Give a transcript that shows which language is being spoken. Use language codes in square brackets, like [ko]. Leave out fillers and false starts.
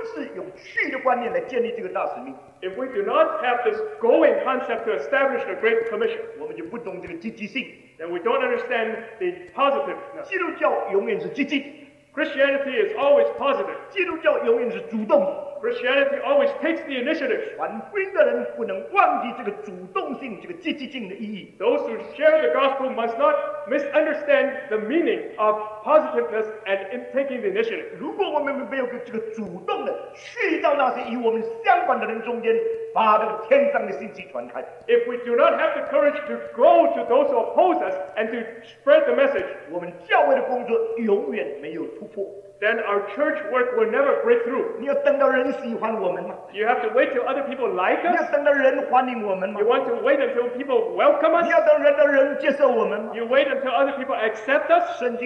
[zh] 如果我们今天不是用去的观念来建立这个大使命, [en] if we do not have this going concept to establish the Great Commission, [zh] 我们就不懂这个积极性, [en] then we don't understand the positiveness. [zh] 基督教永远是积极, [en] Christianity is always positive. [zh] 基督教永远是主动, [en] Christianity always takes the initiative. [zh] 传福音的人不能忘记这个主动性,这个积极性的意义。 [en] Those who share the gospel must not misunderstand the meaning of positiveness and in taking the initiative. [zh] 如果我们没有这个主动的,去到那些与我们相关的人中间,把这个天上的信息传开。 [en] If we do not have the courage to go to those who oppose us and to spread the message, [zh] 我们教会的工作永远没有突破。 [en] Then our church work will never break through. You have to wait till other people like us. You want to wait until people welcome us. You wait until other people accept us.